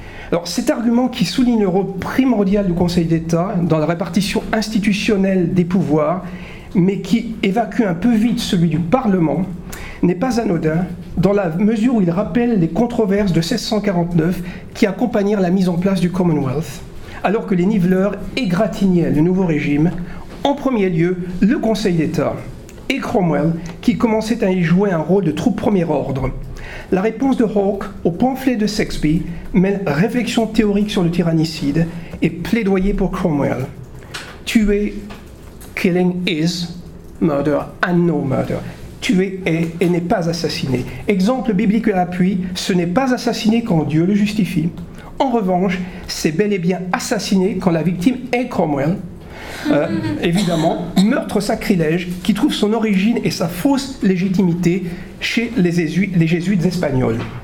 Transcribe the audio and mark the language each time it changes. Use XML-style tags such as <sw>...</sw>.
<fr>Alors, cet argument qui souligne le rôle primordial du Conseil d'État dans la répartition institutionnelle des pouvoirs, mais qui évacue un peu vite celui du Parlement, n'est pas anodin dans la mesure où il rappelle les controverses de 1649 qui accompagnèrent la mise en place du Commonwealth, alors que les niveleurs égratignaient le nouveau régime, en premier lieu le Conseil d'État et Cromwell qui commençaient à y jouer un rôle de troupe premier ordre. La réponse de Hawke au pamphlet de Sexpi mêle réflexion théorique sur le tyrannicide et plaidoyer pour Cromwell. Tuer,</fr> <en>killing is, murder and no murder.</en> <fr>Tuer est et n'est pas assassiné. Exemple biblique à l'appui, ce n'est pas assassiné quand Dieu le justifie. En revanche, c'est bel et bien assassiné quand la victime est Cromwell. Évidemment, meurtre sacrilège qui trouve son origine et sa fausse légitimité chez les jésuites espagnols.</fr>